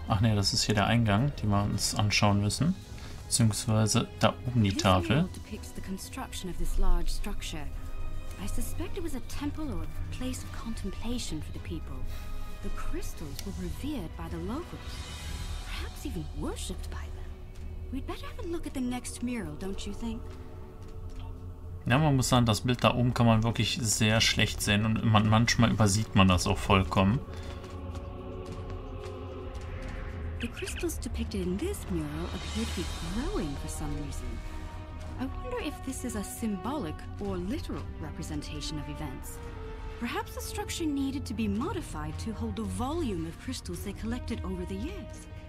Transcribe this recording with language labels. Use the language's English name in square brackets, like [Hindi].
[German] Ach ne, das ist hier der Eingang, den wir uns anschauen müssen. Beziehungsweise da oben die Tafel. [English] This mural depicts the construction of this large structure. I suspect it was a temple or a place of contemplation for the people. The crystals were revered by the locals. Perhaps even worshipped by them. We'd better have a look at the next mural, don't you think? [German] Ja, man muss sagen, das Bild da oben kann man wirklich sehr schlecht sehen und manchmal übersieht man das auch vollkommen. [English] The crystals depicted in this mural appear to be growing for some reason. I wonder if this is a symbolic or literal representation of events. Perhaps the structure needed to be modified to hold the volume of crystals they collected over the years.